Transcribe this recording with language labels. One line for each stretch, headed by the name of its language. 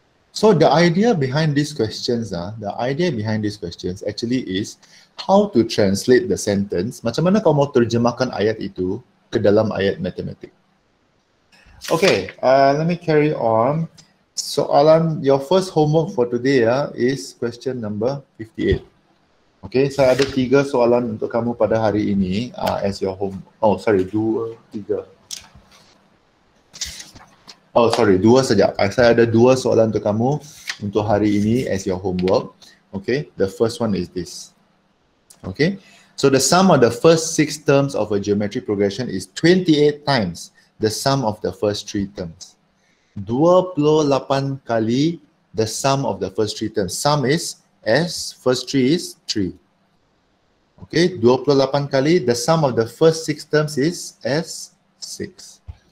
English: So the idea behind these questions, actually is how to translate the sentence.
Malay: Macam mana kau mau terjemahkan ayat itu ke dalam ayat matematik?
English: Okay, let me carry on. So Alan, your first homework for today is question number 58.
Malay: Okay, saya ada tiga soalan untuk kamu pada hari ini
English: as your homework.
Malay: Dua saja. Saya ada dua soalan untuk kamu untuk hari ini
English: as your homework. Okay, the first one is this. Okay, so the sum of the first six terms of a geometric progression is 28 times the sum of the first three terms. 28 kali the sum of the first three terms. Sum is S, first three is 3. Okay, 28 kali the sum of the first six terms is S, 6.